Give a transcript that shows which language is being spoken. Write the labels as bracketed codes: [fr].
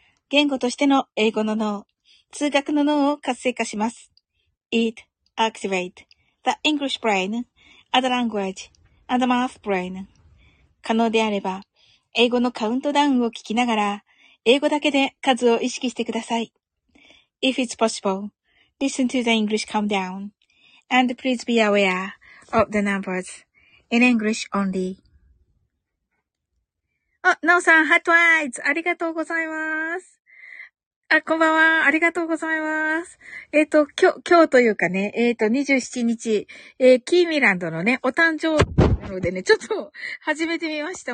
[ja] 言語としての英語の脳、通学の脳を活性化します。 [en] It activate the English brain. Other language, other math brain. [ja] 可能であれば、英語のカウントダウンを聞きながら、英語だけで数を意識してください。 [en] If it's possible, listen to the English countdown. And please be aware of the numbers in English only. [ja] あ、なおさん、ハットアイズ、ありがとうございます。あ、こんばんは。ありがとうございます。今日というかね、27日、キーミランドのね、お誕生日なのでね、ちょっと始めてみました。